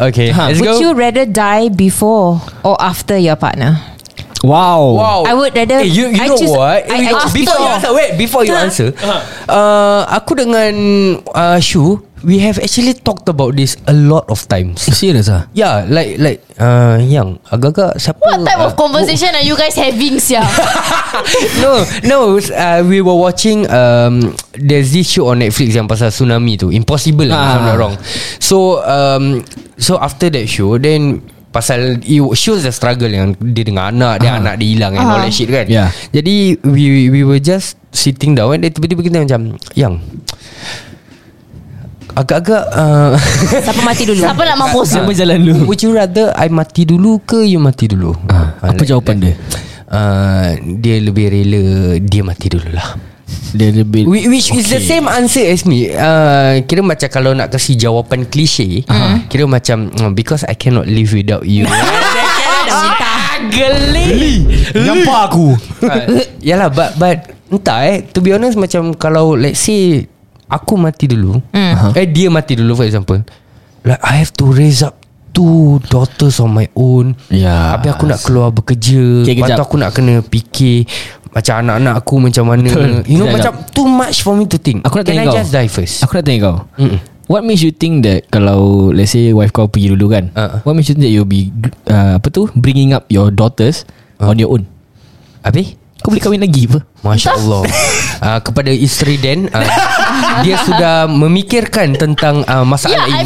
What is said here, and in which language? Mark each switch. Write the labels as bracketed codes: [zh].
[en] Okay, let's go. Would you rather die before or after your partner? Wow. I would rather. Hey, you I know choose, what? Before you answer, [ms] aku dengan Shu, [en] we have actually talked about this a lot of times. Serious ah? Yeah, like [ms] yang agak-agak siapa? [en] What type of conversation are you guys having, sia? No. We were watching there's this show on Netflix [ms] yang pasal tsunami tu. [en] Impossible, if I'm not wrong. So after that show, then pasal it shows the struggle [ms] yang dia dengan anak dia, anak dia hilang [en] and all that shit kan. Yeah. Jadi we were just sitting down and then [ms] tiba-tiba kita macam yang agak-agak siapa mati dulu? Siapa nak mampus? Siapa jalan dulu? [en] Would you rather I [ms] mati dulu ke you mati dulu? Apa jawapan dia? Dia lebih rela dia mati dululah. Dia lebih [en] which is okay. The same answer as me. [ms] Kira macam kalau nak kasih jawapan klise, kira macam [en] because I cannot live without you. [ms] Geli. Nampak aku. [en] Yalah, but entah to be honest, macam kalau let's say [ms] aku mati dulu, dia mati dulu [en] for example, like I have to raise up two daughters on my own. Yeah. [ms] Habis aku nak keluar bekerja, lepas tu aku nak kena fikir macam anak-anak aku macam mana. [en] You know, macam too much for me to think. [ms] Aku nak tanya [en] Can [ms] kau. [en] I just die first? [ms] Aku nak tanya kau. [en] What makes you think that kalau let's say wife kau pergi dulu kan, what makes you think that you'll be apa tu, bringing up your daughters on your own? [ms] Habis kau boleh kahwin lagi apa? Masya Allah. Kepada isteri Dan, dia sudah memikirkan tentang masalah ini.